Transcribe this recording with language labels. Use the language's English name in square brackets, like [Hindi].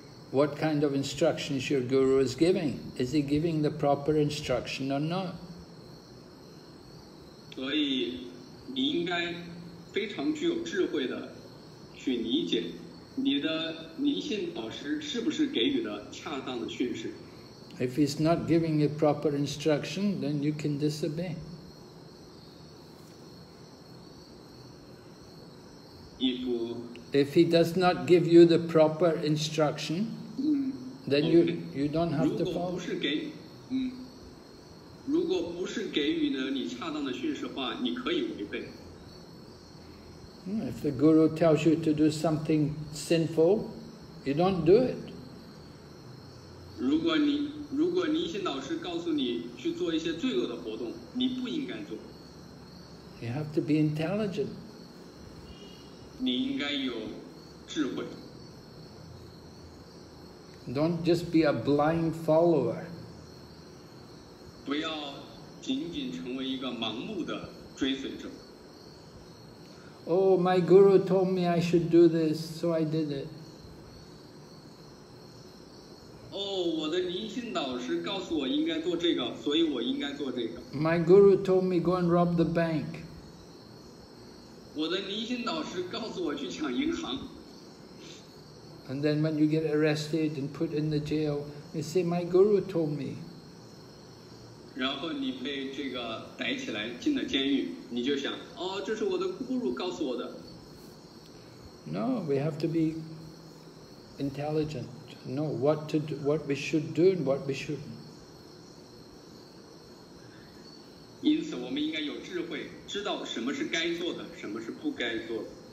[English] What kind of instructions your guru is giving? Is he giving the proper instruction or not? [Chinese] 所以你应该非常具有智慧的去理解你的灵性导师是不是给予的恰当的训示。 [English] If he's not giving a proper instruction, then you can disobey. 一夫 If he does not give you the proper instruction,Then you don't have to follow. [Chinese] 如果不是给予了你恰当的训示话，你可以违背。 [English] If the guru tells you to do something sinful, you don't do it. [Chinese] 如果灵性导师告诉你去做一些罪恶的活动，你不应该做。 [English] You have to be intelligent. [Chinese] 你应该有智慧。 [English] Don't just be a blind follower. [Chinese] 不要仅仅成为一个盲目的追随者。 [English] Oh, my guru told me I should do this, so I did it. [Chinese] Oh, 我的灵性导师告诉我应该做这个，所以我应该做这个。 [English] My guru told me go and rob the bank. [Chinese] 我的灵性导师告诉我去抢银行。 [English] And then when you get arrested and put in the jail, you say, my guru told me. [Chinese] 然后你被这个逮起来进了监狱，你就想，哦，这是我的guru告诉我的。 [English] No, we have to be intelligent. Know what to do, what we should do and what we shouldn't. [Chinese] 因此我们应该有智慧，知道什么是该做的，什么是不该做的。